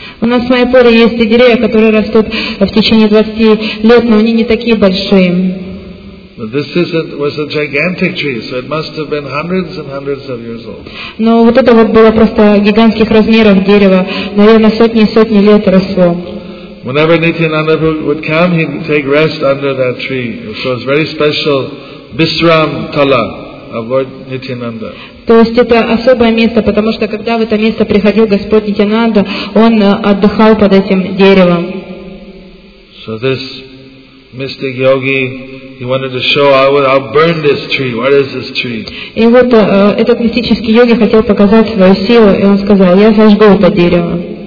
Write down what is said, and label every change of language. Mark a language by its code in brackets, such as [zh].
[ru] У нас в Майапуре есть и деревья, которые растут в течение 20 лет, но они не такие большие. [en] But this isn't, was a gigantic tree, so it must have been hundreds and hundreds of years old. [ru] Но вот это вот было просто гигантских размеров дерево, наверное, сотни и сотни лет росло. [en] Whenever Nityananda would come, he'd take rest under that tree. So it's very special, Bisram Tala of Lord Nityananda. [ru] То есть это особое место, потому что когда в это место приходил Господь Нитянанда, он отдыхал под этим деревом. [en] So this mystic yogi, he wanted to show, I'll burn this tree. What is this tree? [ru] И вот этот мистический йоги хотел показать свою силу, и он сказал, я сожгу это дерево.